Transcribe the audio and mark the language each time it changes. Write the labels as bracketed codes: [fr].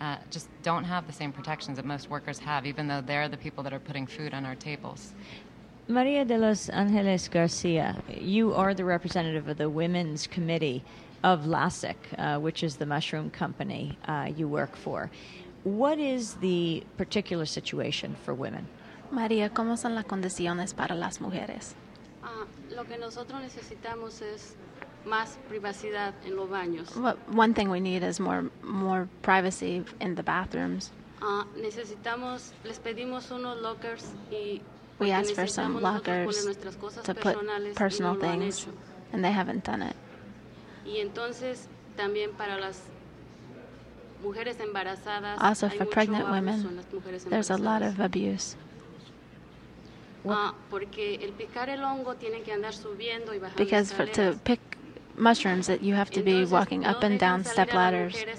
[en] just don't have the same protections that most workers have, even though they're the people that are putting food on our tables. Maria de los Angeles Garcia, you are the representative of the Women's Committee of LASIC, which is the mushroom company you work for. What is the particular situation for women? [es] Maria, ¿cómo son las condiciones para las mujeres? Lo que nosotros necesitamos es más privacidad en los baños. [en] Well, one thing we need is more privacy in the bathrooms. [es] Necesitamos, les pedimos unos lockers y [en] we ask for some lockers to put personal things, and they haven't done it. [es] Y entonces, también para las mujeres embarazadas, [en] also for pregnant women, there's a lot of abuse. [es] Porque el picar el hongo tiene que andar subiendo y bajando. [en] Because to pick mushrooms, you have to be walking up and down step ladders.